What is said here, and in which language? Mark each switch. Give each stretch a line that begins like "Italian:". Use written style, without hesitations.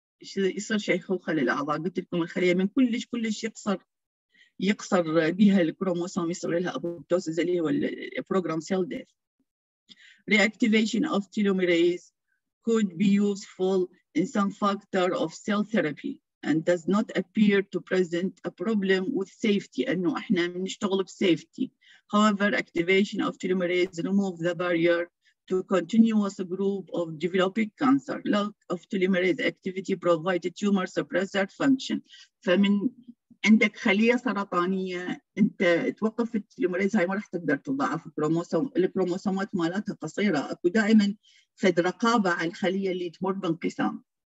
Arabic: يصير شيخوخة للأعضاء قلت لكم الخلية من كلش يقصر بها الكروموسوم يصير لها apoptosis اللي هو البروجرام سيل ديث.
English: Reactivation of telomerase could be useful in some factor of cell therapy and does not appear to present a problem with safety
Arabic: انه احنا بنشتغل بسيفتي.
English: However, activation of telomerase removes the barrier to continuous group of developing cancer. Lack of telomerase activity provides a tumor suppressor function.
Arabic: فمن عندك خلية سرطانية انت توقف التيلوميريز هاي ما راح تقدر تضاعف الكروموسومات مالتها قصيرة اكو دائما فد رقابة على الخلية اللي تمر بانقسام.